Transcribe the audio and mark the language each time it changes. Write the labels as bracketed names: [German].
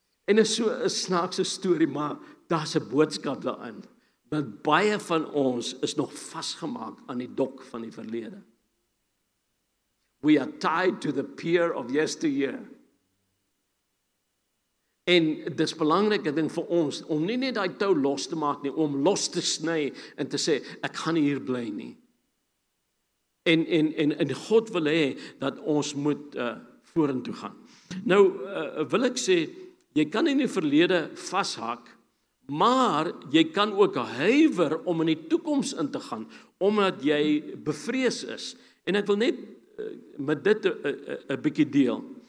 [Afrikaans] En is so 'n snaakse story, maar daar's 'n boodskap daarin. Want baie van ons is nog vasgemaak aan die dok van die verlede. [English] We are tied to the pier of yesteryear. [Afrikaans] En dis belangrike ding vir ons, om nie net die tou los te maak nie, om los te sny en te sê, ek gaan nie hier bly nie. En God wil hê dat ons moet vorentoe gaan. Nou, wil ek sê, jy kan in die verlede vashak, maar jy kan ook huiver om in die toekoms in te gaan, omdat jy bevrees is. En ek wil net met dit een bietjie deel.